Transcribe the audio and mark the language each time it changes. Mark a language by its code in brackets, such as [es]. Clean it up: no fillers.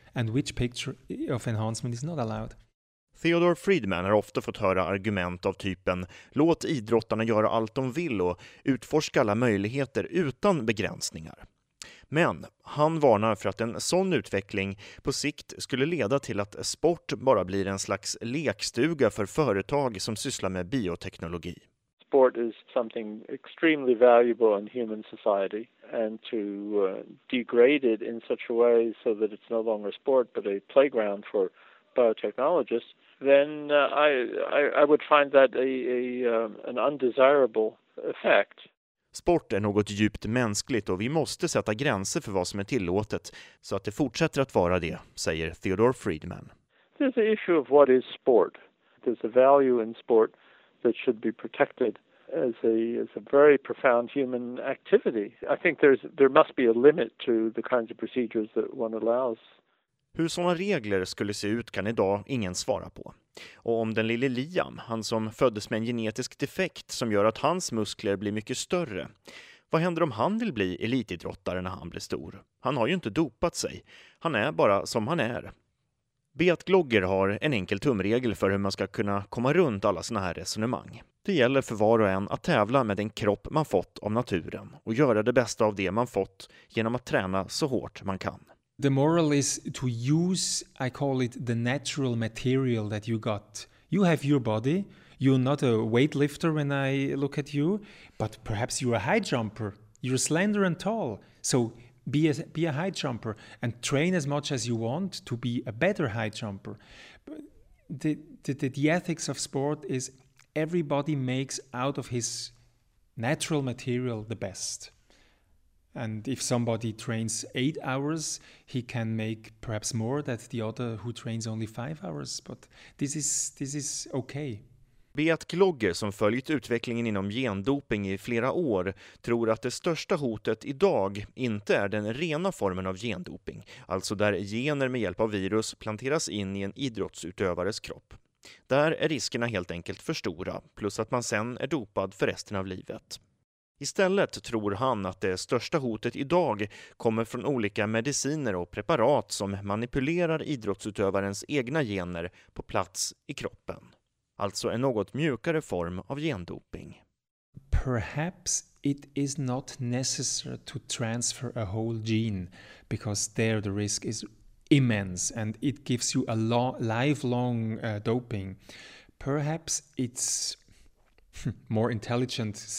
[en] And which picture of enhancement is not allowed? [sv] Theodore Friedman har ofta fått höra argument av typen låt idrottarna göra allt de vill och utforska alla möjligheter utan begränsningar. Men han varnar för att en sån utveckling på sikt skulle leda till att sport bara blir en slags lekstuga för företag som sysslar med bioteknologi. [en] Sport is something extremely valuable in human society, and to degrade it in such a way so that it's no longer sport but a playground for biotechnologists, then I would find that an undesirable effect. [sv] Sport är något djupt mänskligt och vi måste sätta gränser för vad som är tillåtet så att det fortsätter att vara det, säger Theodore Friedman. [en] There's the issue of what is sport. There's a value in sport that should be protected as a very profound human activity. I think there must be a limit to the kinds of procedures that one allows. [sv] Hur sådana regler skulle se ut kan idag ingen svara på. Och om den lille Liam, han som föddes med en genetisk defekt som gör att hans muskler blir mycket större, vad händer om han vill bli elitidrottare när han blir stor? Han har ju inte dopat sig. Han är bara som han är. Beat Glogger har en enkel tumregel för hur man ska kunna komma runt alla såna här resonemang. Det gäller för var och en att tävla med den kropp man fått av naturen och göra det bästa av det man fått genom att träna så hårt man kan. [en] The moral is to use, I call it, the natural material that you got. You have your body, you're not a weightlifter when I look at you, but perhaps you're a high jumper. You're slender and tall, so be a high jumper and train as much as you want to be a better high jumper. The ethics of sport is everybody makes out of his natural material the best. And if somebody trains 8 hours, he can make perhaps more than the other who trains only 5 hours. But this is okay. [sv] Beat Glogger, som följt utvecklingen inom gendoping i flera år, tror att det största hotet idag inte är den rena formen av gendoping, alltså där gener med hjälp av virus planteras in i en idrottsutövares kropp. Där är riskerna helt enkelt för stora, plus att man sen är dopad för resten av livet. Istället tror han att det största hotet idag kommer från olika mediciner och preparat som manipulerar idrottsutövarens egna gener på plats i kroppen. Alltså en något mjukare form av gendoping. [en] Perhaps it is not necessary to transfer a whole gene because there the risk is immense and it gives you a lifelong doping. Perhaps it's more intelligent.